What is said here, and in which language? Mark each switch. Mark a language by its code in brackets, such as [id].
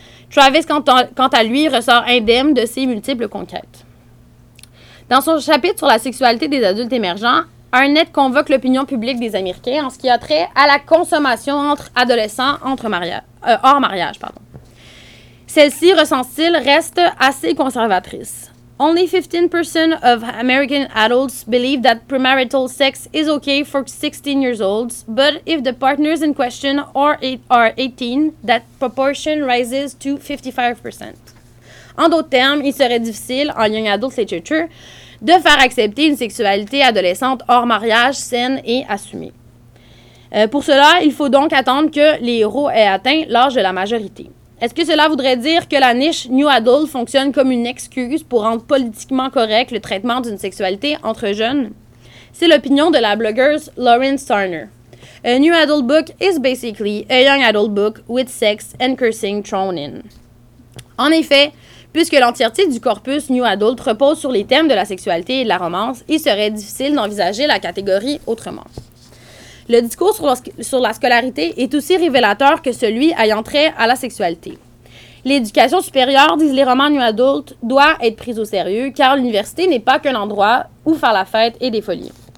[fr] Travis, quant à lui, ressort indemne de ses multiples conquêtes. Dans son chapitre sur la sexualité des adultes émergents, un net convoque l'opinion publique des Américains en ce qui a trait à la consommation entre adolescents hors mariage. Pardon. Celle-ci, recense-t-il, reste assez conservatrice. [en] Only 15% of American adults believe that premarital sex is okay for 16 years old, but if the partners in question are 18, that proportion rises to 55%. [fr] En d'autres termes, il serait difficile, en young adult literature, de faire accepter une sexualité adolescente hors mariage saine et assumée. Pour cela, il faut donc attendre que les héros aient atteint l'âge de la majorité. Est-ce que cela voudrait dire que la niche New Adult fonctionne comme une excuse pour rendre politiquement correct le traitement d'une sexualité entre jeunes? C'est l'opinion de la blogueuse Lauren Starner. [en] A New Adult book is basically a young adult book with sex and cursing thrown in. [fr] En effet, puisque l'entièreté du corpus New Adult repose sur les thèmes de la sexualité et de la romance, il serait difficile d'envisager la catégorie autrement. Le discours sur la scolarité est aussi révélateur que celui ayant trait à la sexualité. L'éducation supérieure, disent les romans New Adult, doit être prise au sérieux, car l'université n'est pas qu'un endroit où faire la fête et des folies.